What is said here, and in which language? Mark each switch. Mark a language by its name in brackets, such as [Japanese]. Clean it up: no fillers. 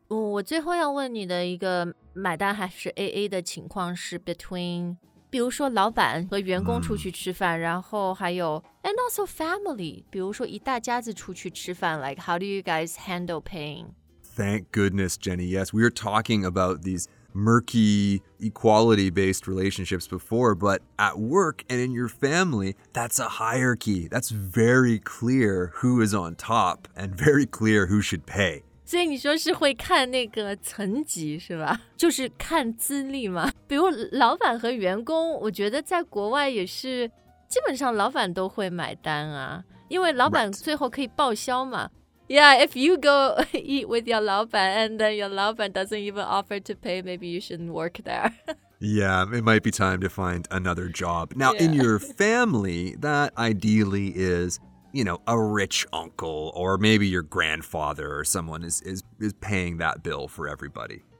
[Chinese] 我最后要问你的一个买单还是 AA 的情况是 between, 比如说老板和员工出去吃饭，然后还有 [English] and also family, [Chinese] 比如说一大家子出去吃饭， [English] like how do you guys handle paying? Thank goodness, Jenny. Yes, we are talking about these murky equality-based relationships before, but at work and in your family, that's a hierarchy. That's very clear who is on top and very clear who should pay. [Chinese] 所以你说是会看那个层级是吧？就是看资历吗？比如老板和员工，我觉得在国外也是基本上老板都会买单啊，因为老板最后可以报销嘛。 [English] Right. Yeah, if you go eat with your 老板 and then your 老板 doesn't even offer to pay, maybe you shouldn't work there. Yeah, it might be time to find another job. Now,、yeah. in your family, that ideally is, you know, a rich uncle or maybe your grandfather or someone is paying that bill for everybody.